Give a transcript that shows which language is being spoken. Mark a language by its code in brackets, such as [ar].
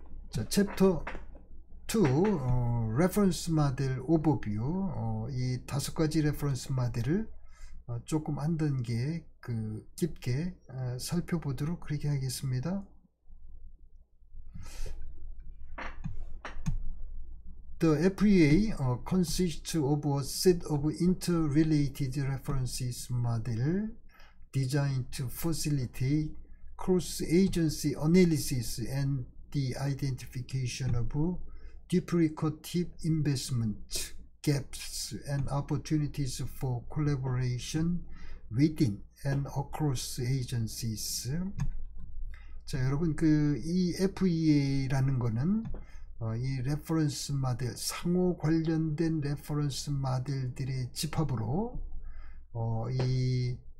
[ko] 자, 챕터 2, 레퍼런스 모델 오버뷰. 이 다섯 가지 레퍼런스 모델을 조금 한 단계 그 깊게 살펴보도록 그렇게 하겠습니다. [en] The FEA consists of a set of interrelated references model designed to facilitate cross-agency analysis and the identification of duplicative investment gaps and opportunities for collaboration within and across agencies. [ko] 자, 여러분, 그이 FEA라는 거는 이 레퍼런스 모델, 상호 관련된 레퍼런스 모델들의 집합으로 이